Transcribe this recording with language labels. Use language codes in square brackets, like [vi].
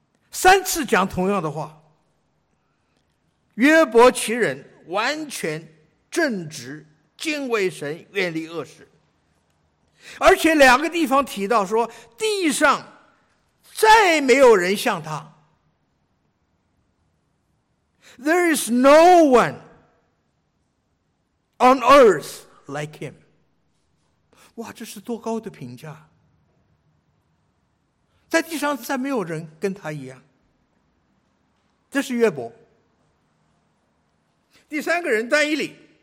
[zh] 三次讲同样的话，约伯其人，完全正直，敬畏神，远离恶事。而且两个地方提到说地上再没有人像他。 [en] There is no one on earth like him。 [zh] 哇，这是多高的评价，在地上再没有人跟他一样。这是约伯。第三个人但以理。